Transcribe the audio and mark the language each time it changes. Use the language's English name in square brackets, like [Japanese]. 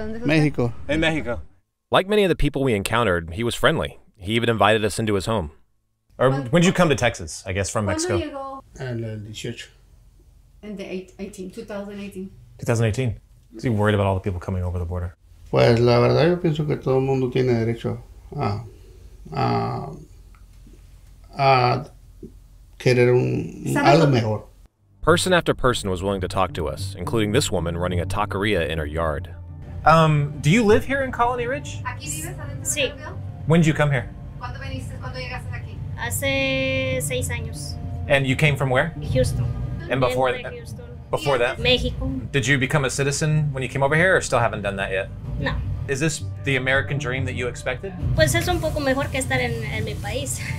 [English] Mexico. In Mexico. Like many of the people we encountered, he was friendly. He even invited us into his home. Or when did you come to Texas, I guess, from Mexico? And the church. In 2018. 2018? Is he worried about all the people coming over the border? [Spanish] Pues la verdad, yo pienso que todo el mundo tiene derecho a querer algo mejor. [English] Person after person was willing to talk to us, including this woman running a taqueria in her yard. Do you live here in Colony Ridge? [Spanish] Sí. [English] When did you come here? [Spanish] Hace 6 años. [English] And you came from where? Houston. And before that? Before that? Mexico. Did you become a citizen when you came over here, or still haven't done that yet? No. Is this the American dream that you expected? [Spanish] Pues es un poco mejor que estar en mi país.